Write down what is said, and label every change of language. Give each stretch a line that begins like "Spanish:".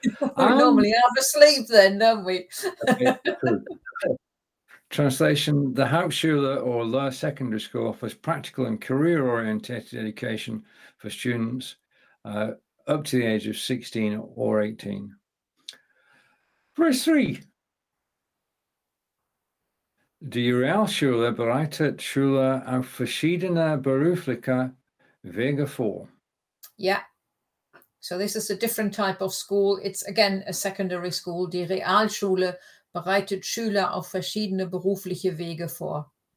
English: We normally have a sleep then, don't we? Translation, the Hauptschule or lower secondary school offers practical and career-oriented education for students up to the age of 16 or 18. Verse 3.
German: Die Realschule bereitet Schüler auf verschiedene berufliche Wege vor.
English: Yeah. So this is a different type of school. It's again a secondary school.
German: Die Realschule bereitet Schüler auf verschiedene berufliche Wege vor.